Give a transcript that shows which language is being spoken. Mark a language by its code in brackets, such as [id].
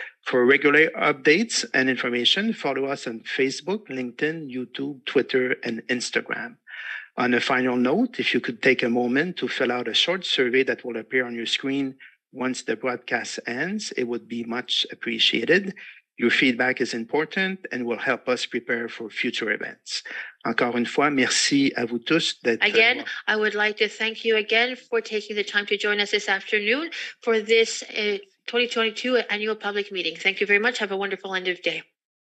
[en] For regular updates and information, follow us on Facebook, LinkedIn, YouTube, Twitter, and Instagram. On a final note, if you could take a moment to fill out a short survey that will appear on your screen once the broadcast ends, it would be much appreciated. Your feedback is important and will help us prepare for future events. [fr] Encore une fois, merci à vous tous d'être. [en] Again, I would like to thank you again for taking the time to join us this afternoon for this 2022 annual public meeting. Thank you very much. Have a wonderful end of day.